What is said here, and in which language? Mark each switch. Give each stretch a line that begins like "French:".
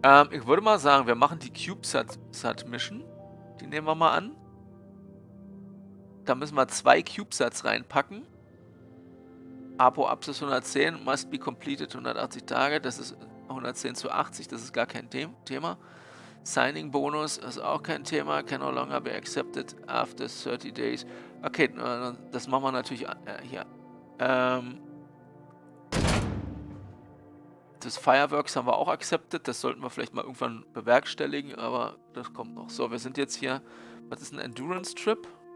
German: Ich würde mal sagen, wir machen die CubeSat-Mission. Die nehmen wir mal an. Da müssen wir 2 CubeSats reinpacken. Apo Apsis 110,
English: must be completed
German: 180 Tage. Das ist 110 zu 80, das ist gar kein Thema. Signing Bonus ist auch kein Thema.
English: Can no longer be accepted after 30 days.
German: Okay, das machen wir natürlich hier. Das Fireworks haben wir auch accepted. Das sollten wir vielleicht mal irgendwann bewerkstelligen, aber das kommt noch. So, wir sind jetzt hier. Was ist ein Endurance Trip?